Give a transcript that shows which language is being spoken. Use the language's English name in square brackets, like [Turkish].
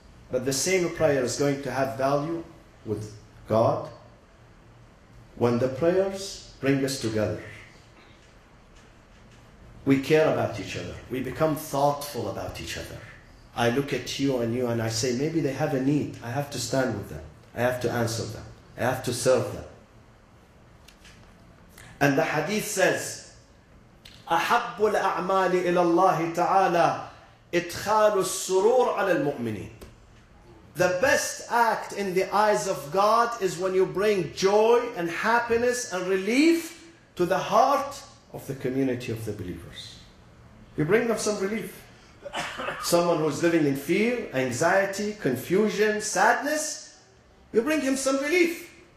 [English] But the same prayer is going to have value with God when the prayers bring us together. We care about each other. We become thoughtful about each other. I look at you and you and I say, maybe they have a need. I have to stand with them. I have to answer them. I have to serve them. And the hadith says, [Arabic] أَحَبُّ الْأَعْمَالِ إِلَى اللَّهِ تَعَالَى إِدْخَالُ السُّرُورِ عَلَى الْمُؤْمِنِينَ. [English] The best act in the eyes of God is when you bring joy and happiness and relief to the heart of the community of the believers. You bring them some relief. Someone who's living in fear, anxiety, confusion, sadness, you bring him some relief.